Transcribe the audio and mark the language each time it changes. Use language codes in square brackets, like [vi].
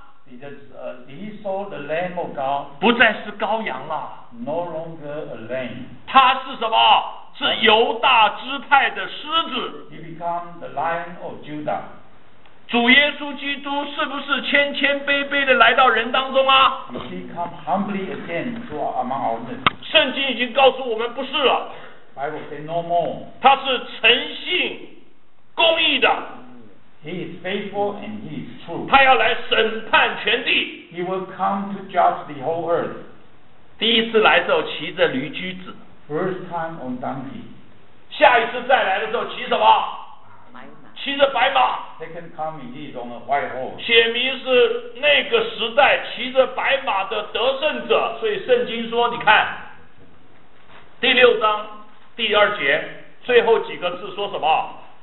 [en] 啊？He saw the Lamb of God. [zh] 不再是羔羊了。 [en] No longer a lamb. [zh] 他是什么？是犹大支派的狮子。 [en] He become the Lion of Judah. [zh] 主耶稣基督是不是谦谦卑卑的来到人当中啊？ [en] He come humbly again to among our men. [zh] 圣经已经告诉我们不是了。 [en] Bible say no more. [zh] 他是诚信。公义的， [en] he is faithful and he is true. [zh] 他要来审判全地。 [en] He will come to judge the whole earth. [zh] 第一次来的时候骑着驴驹子。 [en] First time on donkey. [zh] 下一次再来的时候骑什么？骑着白马。 [en] Second coming is on a white horse. [zh] 写明是那个时代骑着白马的得胜者。所以圣经说，你看，第六章第二节最后几个字说什么？